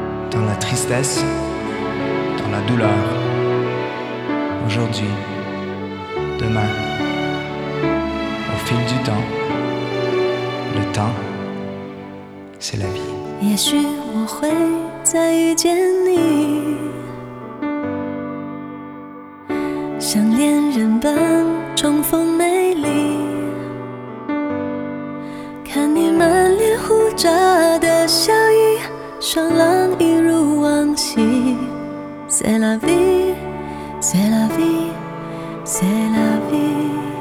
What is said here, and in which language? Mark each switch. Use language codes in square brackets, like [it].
[fr] Dans la tristesse, dans la douleur, aujourd'hui, demain, au fil du temps, le temps, c'est la vie. [zh] 也许我会再遇见你， 像恋人般重逢美丽， 看你满脸胡渣的笑意， 爽朗一如往昔。 [fr] C'est la vie, c'est la vie, c'est la vie.